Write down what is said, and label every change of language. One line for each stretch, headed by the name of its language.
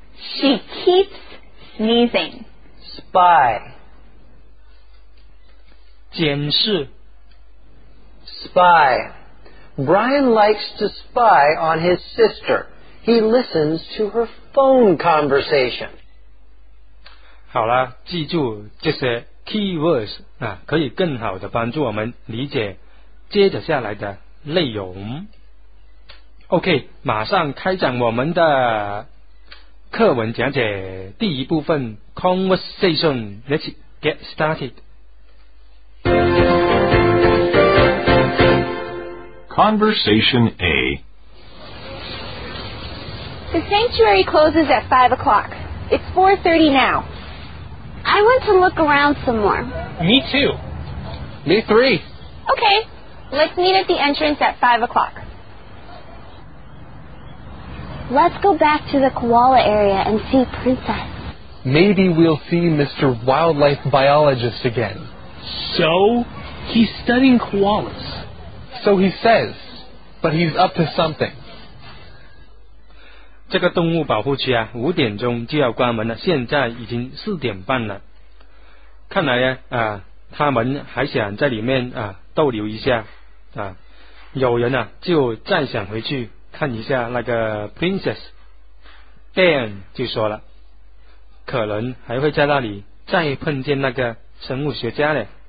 English: She keeps sneezing. Spy.
Chinese: 监视.
English: Spy. Brian likes to spy on his sister. He listens to her phone conversation.
Chinese: 好了，记住这些 keywords 啊，可以更好的帮助我们理解接着下来的内容。 OK， 马上开展我们的课文讲解第一部分 conversation.
English: Let's get started. Conversation A. The sanctuary closes at 5 o'clock. It's 4:30 now. I want to look around some more. Me too. Me three. Okay, let's meet at the entrance at 5 o'clock. Let's go back to the koala area and see Princess. Maybe we'll see Mr. Wildlife Biologist again. So? He's studying koalas. So he says, but he's up to something.
Chinese: 这个动物保护区啊，五点钟就要关门了，现在已经四点半了。看来啊，他们还想在里面啊逗留一下啊。有人啊就再想回去看一下那个 princess， Dan 就说了，可能还会在那里再碰见那个生物学家呢。